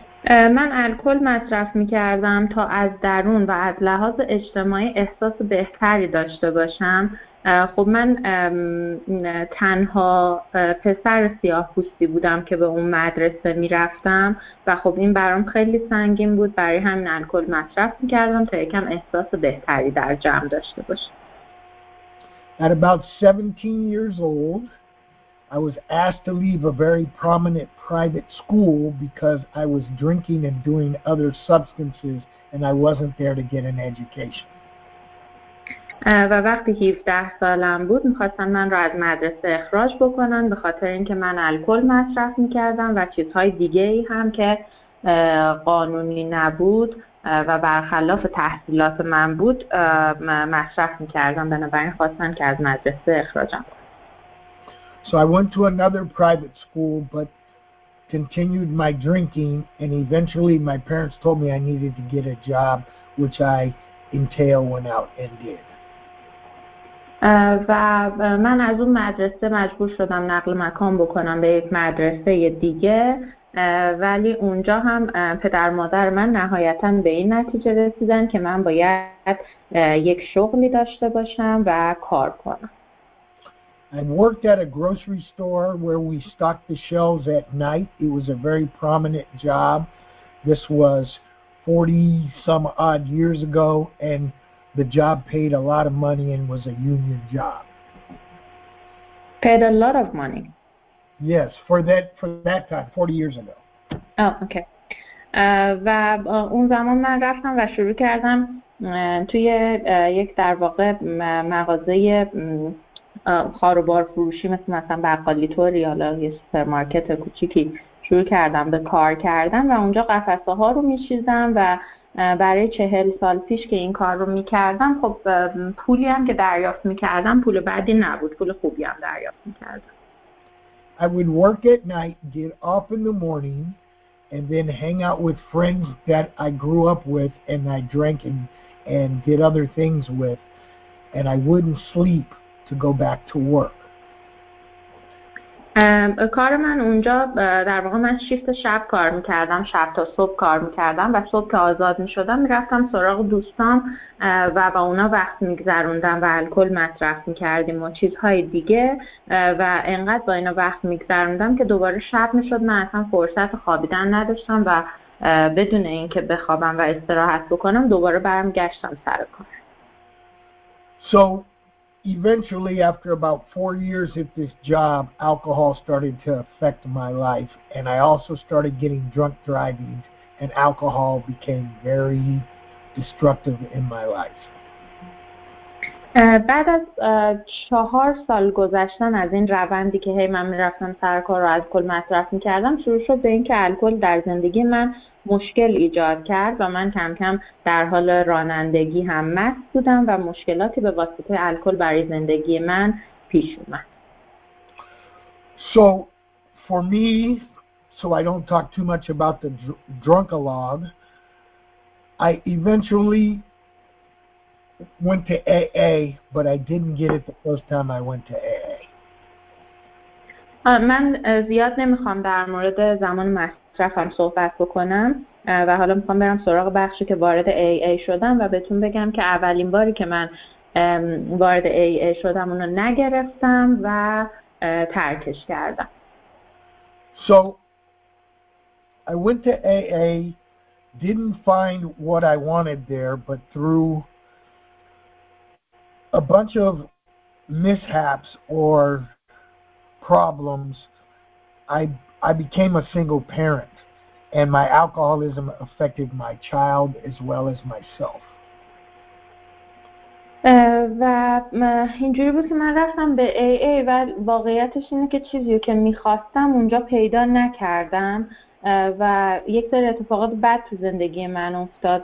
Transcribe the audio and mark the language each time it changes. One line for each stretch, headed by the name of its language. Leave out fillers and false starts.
Persian: من الکل مصرف می‌کردم تا از درون و از لحاظ اجتماعی احساس بهتری داشته باشم. خب من تنها پسر سیاه‌پوستی بودم که به اون مدرسه می‌رفتم و خب این برام خیلی سنگین بود، برای همین الکل مصرف می‌کردم تا یکم احساس بهتری در جمع داشته باشم.
English: At about 17 years old, I was asked to leave a very prominent private school because I was drinking and doing other substances and I wasn't there to get an education.
Persian: و وقتی 17 سالم بود میخواستن من را از مدرسه اخراج بکنن به خاطر اینکه من الکل مصرف میکردم و چیزهای دیگه ای هم که قانونی نبود و برخلاف تحصیلات من بود مصرف میکردم بنابراین خواستن که از مدرسه اخراجم کنن.
English: So I went to another private school but continued my drinking and eventually my parents told me I needed to get a job which I entail went out and did.
Persian: و من از اون مدرسه مجبور شدم نقل مکان بکنم به یک مدرسه دیگه ولی اونجا هم پدر مادر من نهایتاً به این نتیجه رسیدن که من باید یک شغلی داشته باشم و کار کنم.
English: I worked at a grocery store where we stocked the shelves at night. It was a very prominent job. This was 40 some odd years ago and the job paid a lot of money and was a union job. Paid a lot of money. Yes, for that time, 40 years ago. Oh, okay.
Persian: و اون زمان من رفتم و شروع کردم توی یک در واقع مغازه خاروبار فروشی مثلا بقالی طوری حالا یه سوپرمارکت کوچیکی شروع کردم به کار کردم و اونجا قفسه ها رو میشیزم و برای 40 سال پیش که این کار رو میکردم خب پولی هم که دریافت میکردم پول بدی نبود پول خوبی هم دریافت میکردم.
English: I would work at night, get off in the morning and then hang out with friends that I grew up with and I drank and did other things with and I wouldn't sleep to go back to work.
Persian: کار من اونجا در واقع من شیفت شب کار میکردم شب تا صبح کار میکردم و صبح که آزاد میشدم میرفتم سراغ دوستان و با اونا وقت میگذروندم و الکل مصرف میکردیم و چیزهای دیگه و انقدر با اینا وقت میگذروندم که دوباره شب میشد من اصلا فرصت خوابیدن نداشتم و بدون اینکه بخوابم و استراحت بکنم دوباره برم گشتم سر کار.
English: So eventually, after about 4 years at this job, alcohol started to affect my life, and I also started getting drunk driving, and alcohol became very destructive in my life.
Persian: بعد از 4 سال گذشتن از این روندی که من میرفتم سر کار و الکل مصرف میکردم شروع شد به این که الکل در زندگی من مشکل ایجاد کرد و من کم کم در حال رانندگی هم مست بودم و مشکلاتی به واسطه الکل برای زندگی من پیش اومد.
English: So for me, so I don't talk too much about the drunkalog, I eventually went to AA, but I didn't get it the first time I went to AA.
Persian: من زیاد نمیخوام در مورد زمان مصرفم صحبت بکنم و حالا میخوام برم سراغ بخشی که وارد AA شدم و بهتون بگم که اولین باری که من وارد AA شدم اونو نگرفتم و ترکش کردم.
English: So I went to AA, didn't find what I wanted there, but through a bunch of mishaps or problems, I became a single parent, and my alcoholism affected my child as well as myself.
Persian: و اینجوری بود که من رفتم به AA و واقعیتش اینه که چیزی که میخواستم اونجا پیدا نکردم و یک سری اتفاقات بد تو زندگی من افتاد.